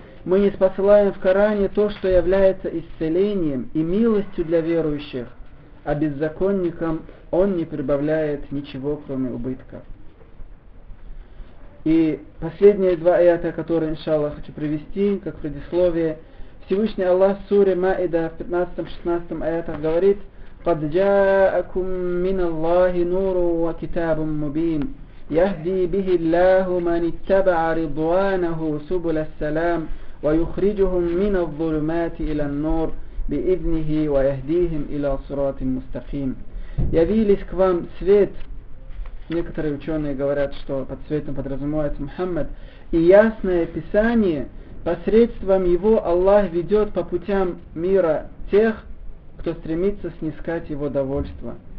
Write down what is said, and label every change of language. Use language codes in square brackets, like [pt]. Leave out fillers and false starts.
[ru] Мы не посылаем в Коране то, что является исцелением и милостью для верующих, а беззаконникам он не прибавляет ничего, кроме убытков. И последние два аята, которые, иншаллах, хочу привести как предисловие. Всевышний Аллах в суре Маида, в 15-16 аятах, говорит: [ar] قَدْ جَاءَكُمْ مِنَ اللَّهِ نُورٌ وَكِتَابٌ مُّبِينٌ يَهْدِي بِهِ اللَّهُ مَنِ اتَّبَعَ رِضْوَانَهُ سُبُلَ السَّلَامِ وَيُخْرِجُهُمْ مِنَ الظُّلُمَاتِ إِلَى النُّورِ بِإِذْنِهِ وَيَهْدِيهِمْ إِلَى صِرَاطٍ مُّسْتَقِيمٍ. [ru] Явились к вам свет, некоторые ученые говорят, что под светом подразумевается Мухаммад, и ясное писание, посредством его Аллах ведет по путям мира тех, кто стремится снискать его довольство.